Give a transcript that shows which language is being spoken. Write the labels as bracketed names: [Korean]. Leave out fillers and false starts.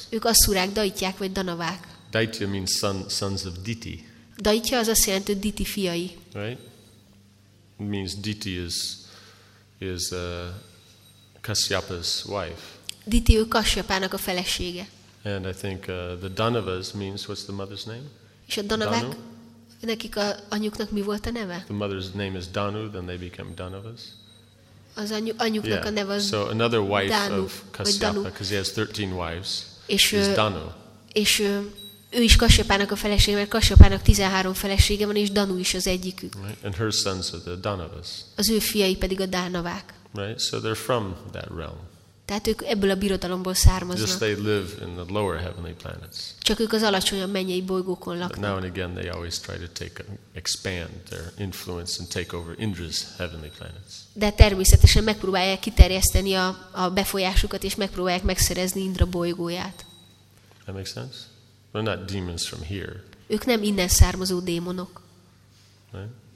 [Hungarian] Ők asurák, daityák vagy danavák. [English] Daitya means sons of diti. [Hungarian] Daitya az azt jelenti, hogy diti fiai. [English] Right? It means diti is Kasyapa's wife. [Hungarian] Diti ő Kasyapának a felesége. [English] And I think the Danavas means, what's the mother's name? [Hungarian] És a Danavák, nekik a anyuknak mi volt a neve? [English] The mother's name is Danu, then they became Danavas. [Hungarian] Az anyuknak a neve az [English] Danu. So another wife Danu, of Kasyapa, because he has 13 wives, [Hungarian] és, [English] is Danu. [Hungarian] És ő is Kasyapának a felesége, mert Kasyapának 13 felesége van, és Danu is az egyikük. [English] Right. And her sons are the Danavas. [Hungarian] Az ő fiai pedig a Dánavák. [English] Right. So they're from that realm. [Hungarian] Tehát ők ebből a birodalomból származnak. [English] Just they live in the lower heavenly planets. [Hungarian] Csak ők az alacsonyabb mennyei bolygókon laknak. [English] But now and again they always try to expand their influence and take over Indra's heavenly planets. [Hungarian] De természetesen megpróbálják kiterjeszteni a befolyásukat, és megpróbálják megszerezni Indra bolygóját. [English] That makes sense? They're not demons from here. [Hungarian] Ők nem innen származó démonok. [English] Right?